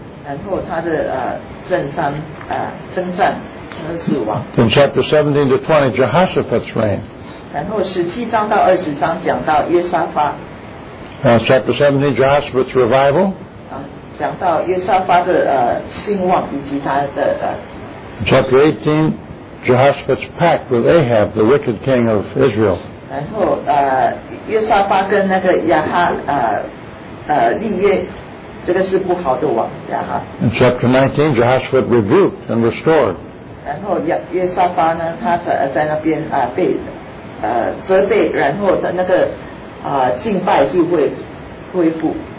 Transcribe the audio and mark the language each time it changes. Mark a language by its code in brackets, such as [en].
[zh] 然后他的政商征战和死亡。 [en] In chapter 17 to 20, Jehoshaphat's reign. [zh] 然后17章到20章讲到约沙发。 [en] Chapter 17, Jehoshaphat's revival. [zh] 讲到约沙发的兴旺以及他的 [en] Chapter 18, Jehoshaphat's pact with Ahab, the wicked king of Israel. [zh] 然后约沙发跟那个亚哈立约，这个是不好的王亚哈。 [en] In chapter 19, Jehoshaphat rebuked and restored. [zh] 然后约沙发呢，他在那边被责备，然后他那个敬拜就会恢复。